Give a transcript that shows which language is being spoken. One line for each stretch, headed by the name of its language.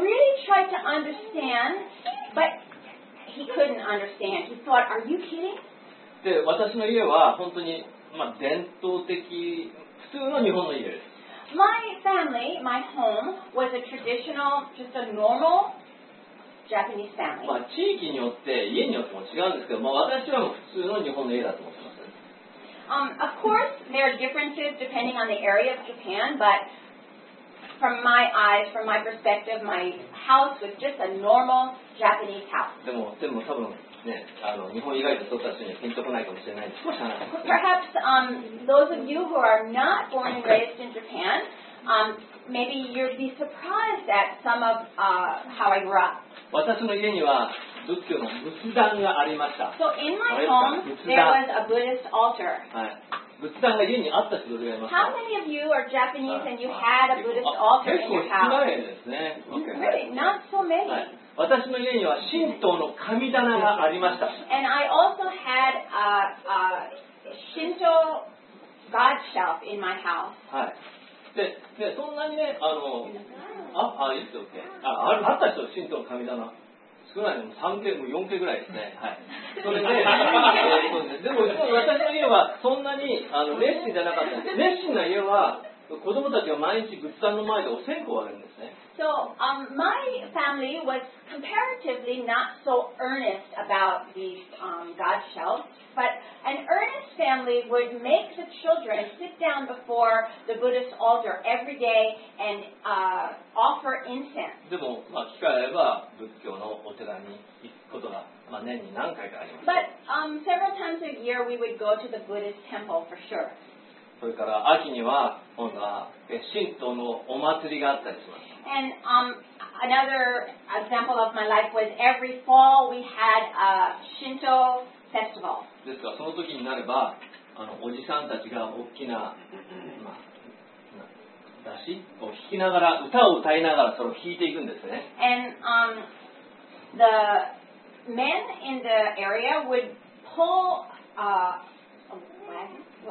English: He really tried to understand, but he couldn't understand. He thought, "Are you kidding?"
Japanese: で、私の家は本当に、まあ、伝統的、普通の日本の家です。
English: My family, my home, was a traditional, just a normal Japanese family.
Japanese: まあ地域によって家によっても違うんですけど、まあ私は普通の日本の家だと思ってます。
English: Of course, there are differences depending on the area of Japan, but from my eyes, from my perspective, my house was just a normal Japanese house.
Japanese: でも多分ね、あの日本以外の人たちにピンとこないかもしれないです。少し話します。
English: Perhaps, those of you who are not born and raised in Japan, maybe you'd be surprised at some of, how I grew up.
Japanese: 私の家には仏教の仏壇がありました。
English: So in my home, there was a Buddhist altar.
Japanese: はい。仏壇が家にあった人どれぐらいいますか？
English: How many of you are Japanese and you had a Buddhist altar in your house?
Japanese: 結構少ないですね。
English: Okay. Really, not so many.、
Japanese: はい私の家には神道の神棚がありました。
English: And I also had a Shinto God shelf in my house.
Japanese: はい。でそんなにね、あの、あ、いいですよ、OK。あったでしょ、神道の神棚。少ないの、3件、もう4件ぐらいですね。はい。それで、でも私の家はそんなにあの熱心じゃなかったんです。熱心な家は、子供たちが毎日仏壇の前でお線香をあげるんですね。
English: So, my family was comparatively not so earnest about these, God shelves, but an earnest family would make the children sit down before the Buddhist altar every day and, offer incense.
Japanese: でも、まあ、機会あれば仏教のお寺に行くことが、まあ、年に何回かあります。
English: But, several times a year we would go to the Buddhist temple for sure.
Japanese: それから秋には今度は神道のお祭りがあったりします。
English: And, another example of my life was every fall we had a Shinto festival.
Japanese: ですからその時になればあのおじさんたちが大きな、まあ、出汁を弾きながら歌を歌いながらそれを弾いていくんですね。
English: And, the men in the area would pull a wagon.